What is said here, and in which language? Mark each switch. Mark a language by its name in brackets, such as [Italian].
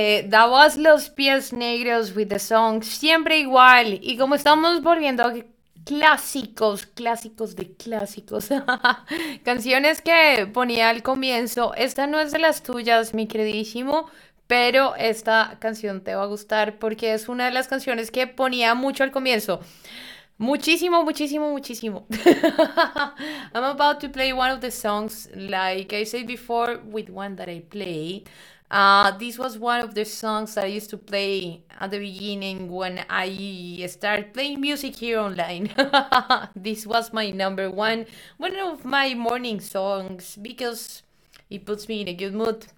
[English] That was Los Pies Negros with the song Siempre Igual. [Spanish] Y como estamos volviendo a clásicos, clásicos de clásicos, canciones que ponía al comienzo, esta no es de las tuyas, mi queridísimo, pero esta canción te va a gustar porque es una de las canciones que ponía mucho al comienzo. Muchísimo, muchísimo, muchísimo. [English] I'm about to play one of the songs, like I said before, with one that I play. This was one of the songs that I used to play at the beginning when I started playing music here online. This was my number one of my morning songs because it puts me in a good mood.